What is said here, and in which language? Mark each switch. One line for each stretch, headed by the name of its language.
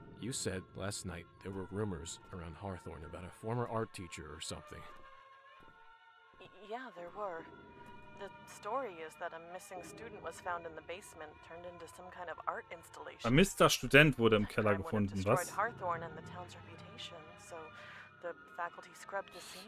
English: You said last night there were rumors around Hawthorne about a former art teacher or something. Yeah, there were. The story is that a missing student was found in the basement, turned into some kind of art installation.
German: Vermisster Student wurde im Keller gefunden, was?
English: Hawthorne and the town's reputation, so the faculty scrubbed the scene.